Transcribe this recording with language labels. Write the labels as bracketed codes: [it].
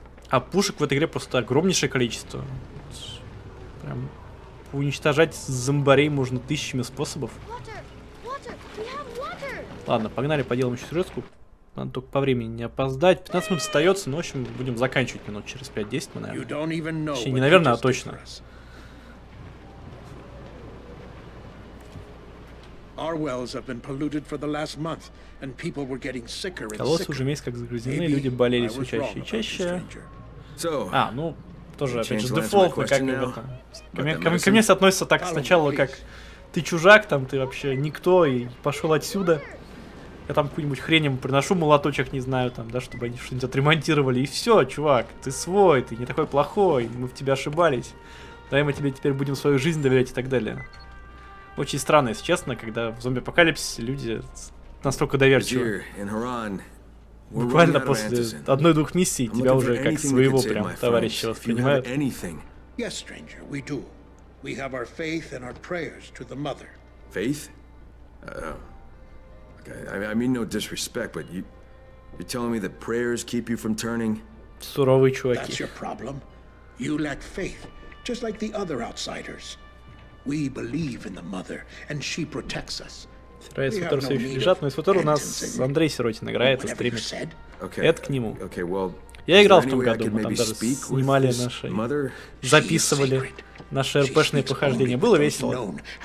[ru] А пушек в этой игре просто огромнейшее количество. Прям уничтожать зомбарей можно тысячами способов. Ладно, погнали, поделаем еще сюжетку. Надо только по времени не опоздать. 15 минут остается, но, в общем, будем заканчивать минут через 5-10, мы, наверное. Точнее, не наверное, а точно. [en] Our wells have been polluted for the last month, and people were getting sicker and sicker. [ru] Уже месяц как загрязнены, люди болели все чаще и чаще. А, ну, тоже, опять же, с дефолта, как бы это. Ко мне относится так сначала, как ты чужак, там, ты вообще никто, и пошел отсюда. Я там какую-нибудь хрень приношу, молоточек, не знаю, там, да, чтобы они что-нибудь отремонтировали, и все, чувак, ты свой, ты не такой плохой, мы в тебя ошибались. Давай мы тебе теперь будем свою жизнь доверять и так далее. Очень странно, если честно, когда в зомби-апокалипсисе люди настолько доверчивы. Буквально после одной-двух миссий тебя уже как своего прям товарища воспринимают. [en] Faith? I mean no disrespect, but you're telling me that prayers keep you from turning? [ru] Суровые чуваки. [en] That's your problem. You lack faith, just like the other outsiders. We believe in the mother, and she protects us. [ru] Сирая и Сватор все еще лежат, но и Сватор у нас Андрей Сиротин играет и стримит. Это к нему. Я играл в том году, мы там даже снимали наши, записывали наши РПшные похождения. Было весело.